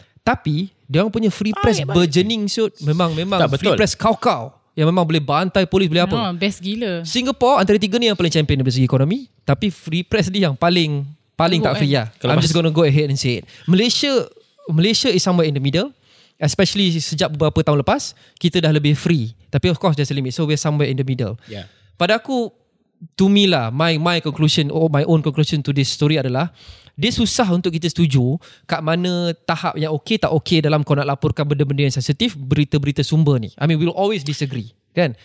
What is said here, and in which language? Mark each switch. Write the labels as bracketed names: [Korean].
[Malay] Tapi dia orang punya free press burgeoning shoot, memang free press kau-kau yang memang boleh bantai polis, boleh apa. Best gila. Singapore antara tiga ni yang paling champion dari segi ekonomi, tapi free press dia yang paling tak free lah. [English] I'm just going to go ahead and say it. Malaysia is somewhere in the middle. [Malay] Especially sejak beberapa tahun lepas, kita dah lebih free. [English] Tapi of course there's a limit. So we're somewhere in the middle. Yeah. [Malay] Pada aku, [English] to me lah, my conclusion or my own conclusion to this story [Malay] adalah dia susah untuk kita setuju kat mana tahap yang okay tak okay dalam kau nak laporkan benda-benda yang sensitif, berita-berita sumber ni. [English] I mean, we'll always disagree, kan?